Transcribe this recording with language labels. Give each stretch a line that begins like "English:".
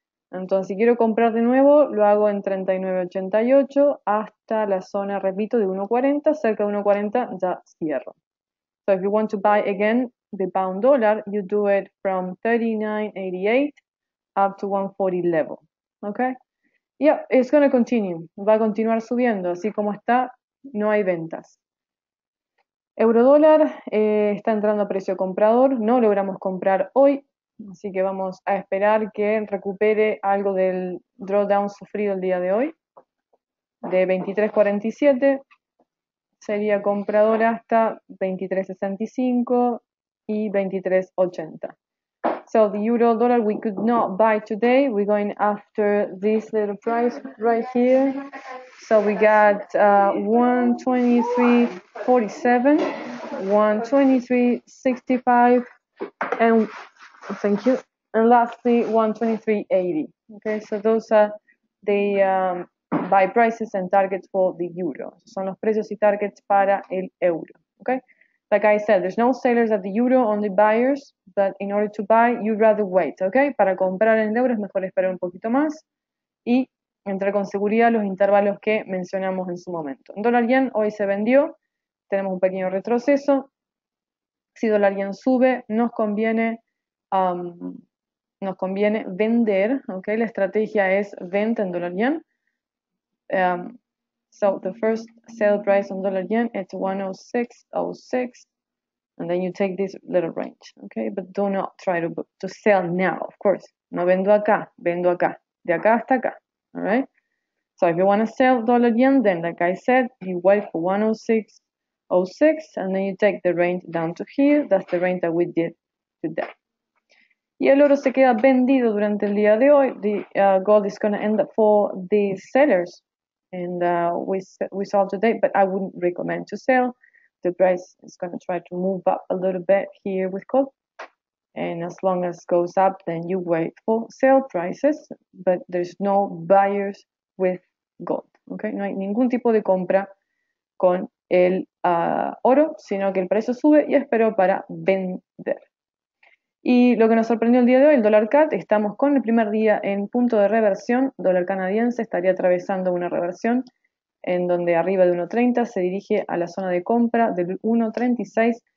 Spanish: Entonces, si quiero comprar de nuevo, lo hago en 39.88 hasta la zona, repito, de 1.40. Cerca de 1.40 ya cierro.
English: So, if you want to buy again the pound dollar, you do it from 39.88 up to 140 level, okay? Yeah, it's going to continue.
Spanish: Va a continuar subiendo, así como está. No hay ventas. Eurodólar está entrando a precio comprador. No logramos comprar hoy. Así que vamos a esperar que recupere algo del drawdown sufrido el día de hoy. De 23.47 sería comprador hasta 23.65 y 23.80.
English: So the Eurodólar we could not buy today. We're going after this little price right here. So we got 123.47, 123.65, and thank you. And lastly, 123.80. Okay, so those are the buy prices and targets for the euro.
Spanish: Son los precios y targets para el euro.
English: Okay, like I said, there's no sellers at the euro, only buyers. But in order to buy, you'd rather wait.
Spanish: Okay, para comprar en euros, mejor esperar un poquito más. Y entrar con seguridad los intervalos que mencionamos en su momento. Dólar yen hoy se vendió, tenemos un pequeño retroceso. Si dólar yen sube, nos conviene vender, ¿okay? La estrategia es venta en dólar yen.
English: So the first sale price on dólar yen is 106.06, and then you take this little range, ¿okay? But do not try to sell now, of course.
Spanish: No vendo acá, vendo acá, de acá hasta acá.
English: All right. So if you want to sell dollar yen, then like I said, you wait for 106.06 and then you take the range down to here. That's the range that we did today.
Spanish: Y el oro se queda vendido durante el día de hoy.
English: The gold is going to end up for the sellers. And we sold today, but I wouldn't recommend to sell. The price is going to try to move up a little bit here with gold. And as long as goes up, then you wait for sale prices, but there's no buyers with gold, okay?
Spanish: No hay ningún tipo de compra con el oro, sino que el precio sube y espero para vender. Y lo que nos sorprendió el día de hoy, el dólar CAD, estamos con el primer día en punto de reversión. Dólar canadiense estaría atravesando una reversión en donde arriba de 1.30 se dirige a la zona de compra del 1.36.